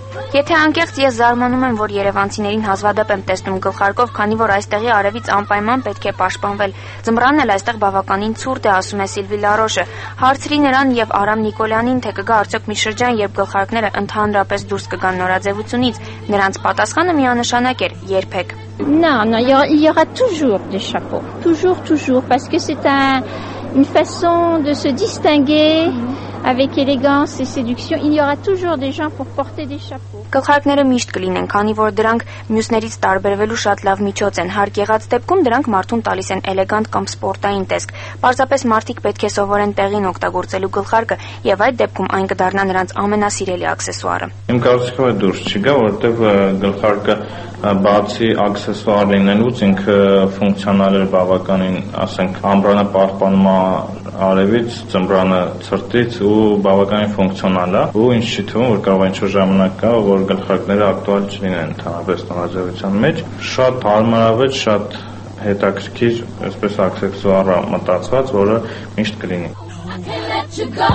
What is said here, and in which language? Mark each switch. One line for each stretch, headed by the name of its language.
Armenian: Եթե անկեղծ ես զարմանում եմ, որ երևանցիներին հազվադեպ եմ տեսնում գլխարկով, քանի որ այստեղի արևից անպայման պետք է պաշտպանվել։ Ձմռանն էլ այստեղ բավականին ցուրտ է, ասում է Սիլվի Լարոշը։ Հարցրի նրան եւ Արամ Նիկոլյանին, թե կգա արդյոք մի շրջան, երբ գլխարկները ընդհանրապես դուրս կգան նորաձևությունից։ Նրանց պատասխանը միանշանակ էր՝ երբեք։
French: Non, il y aura toujours des chapeaux. Toujours parce que c'est une façon de se distinguer. Avec élégance et séduction, il y aura toujours des gens pour porter des chapeaux.
Armenian: Գլխարկները միշտ կլինեն, քանի որ դրանք մյուսներից տարբերվելու շատ լավ միջոց են։ Հարկ եղած դեպքում դրանք մարդուն տալիս են էլեգանտ կամ սպորտային տեսք։ Պարզապես մարդիկ պետք է սովորեն տեղին օգտագործելու գլխարկը, եւ այդ դեպքում այն կդառնա նրանց ամենասիրելի աքսեսուարը։ Իմ կարծիքով է դուրս չգա, որովհետեւ գլխարկը բացի աքսեսուար լինելուց ինքը ֆունկցիոնալ է բավականին, ասենք, ամբրանը պահպանում է արևից, ծմբրանը ցրտից ու բավականին ֆունկցիոնալ է, ու ինձ չի թվում, որ կարող ինչ-որ ժամանակ կա, որ գլխարկները ակտուալ չլինեն ընդհանրապես նորաձևության մեջ։ Շատ հարմարավետ, շատ հետաքրքիր, այսպես աքսեսուարը մտածված, որը միշտ կլինի։